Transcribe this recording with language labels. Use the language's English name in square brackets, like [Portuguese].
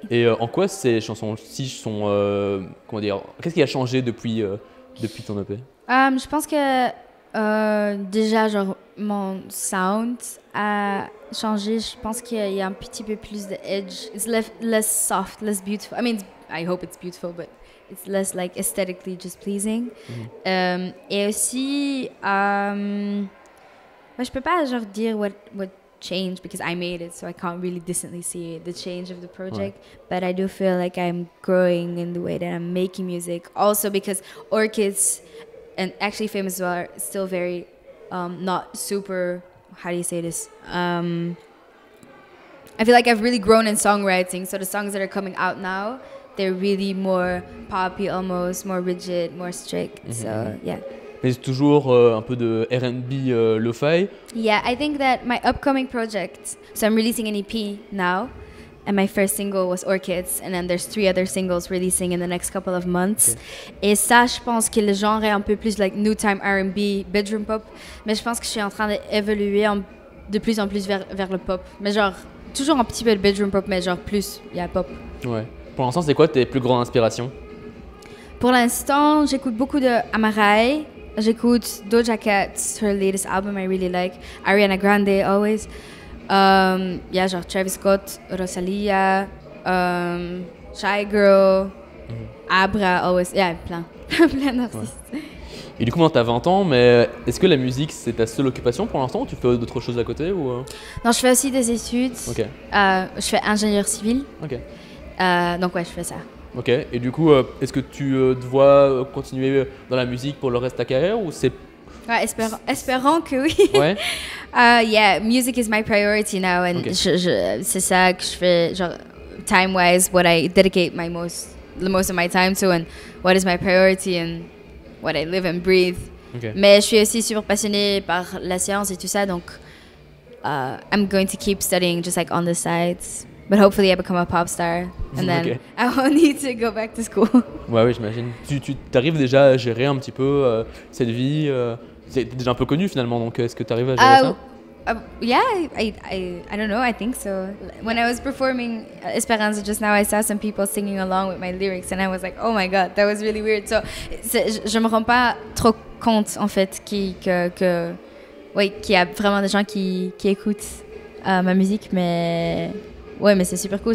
[French] Et en quoi ces chansons-ci sont comment dire, qu'est-ce qui a changé depuis ton EP? Je pense que déjà genre mon sound a changé. Je pense qu'il y a un petit peu plus de edge. [English] It's less soft, less beautiful. I mean, I hope it's beautiful, but it's less like aesthetically just pleasing. [French] Et aussi, moi je peux pas genre dire [English] what changed because I made it, so I can't really distantly see the change of the project. Ouais. But I do feel like I'm growing in the way that I'm making music. Also because Orchids and actually Famous as well are still very not super, how do you say this? I feel like I've really grown in songwriting. So the songs that are coming out now, they're really more poppy almost, more rigid, more strict. Mm-hmm. So, yeah. [French] Mais c'est toujours un peu de R&B lo-fi. [English] Yeah, I think that my upcoming project, so I'm releasing an EP now. And my first single was Orchids. And then there's three other singles releasing in the next couple of months. [French] Okay. Et ça, je pense que le genre est un peu plus [English] like new time R&B, bedroom pop. [French] Mais je pense que je suis en train d'évoluer de plus en plus vers le pop. Mais genre, toujours un petit peu de bedroom pop, mais genre plus, pop. Ouais. Pour l'instant, c'est quoi tes plus grandes inspirations? Pour l'instant, j'écoute beaucoup de Amarai. J'écoute [English] Doja Cat, her latest album I really like. [French] Ariana Grande, always. Genre Travis Scott, Rosalia, Shy Girl, Abra, always, plein d'artistes. Ouais. Et du coup, maintenant, t'as 20 ans, mais est-ce que la musique, c'est ta seule occupation pour l'instant ou tu fais d'autres choses à côté ou... Non, je fais aussi des études. Okay. Je fais ingénieur civil. Okay. Donc, ouais, je fais ça. Ok. Et du coup, est-ce que tu te vois continuer dans la musique pour le reste de ta carrière ou c'est... Ouais, espérant que oui. Ouais. [English] Yeah, music is my priority now. And okay. [French] C'est ça que je fais, genre, [English] time-wise, what I dedicate my most, the most of my time to and what is my priority and... What I live and breathe. Okay. [French] Mais je suis aussi super passionnée par la science et tout ça, donc [English] I'm going to keep studying just like on the sides. But hopefully I become a pop star and then okay. I won't need to go back to school. [French] Ouais, oui, j'imagine. Tu arrives déjà à gérer un petit peu cette vie. T'es déjà un peu connue finalement, donc est-ce que tu arrives à gérer ça? [English] Yeah, I don't know, I think so. When I was performing Esperanza just now, I saw some people singing along with my lyrics and I was like, oh my god, that was really weird. [French] So, je me rends pas trop compte en fait qu'il y a vraiment des gens qui écoutent ma musique, mais ouais, mais c'est super cool.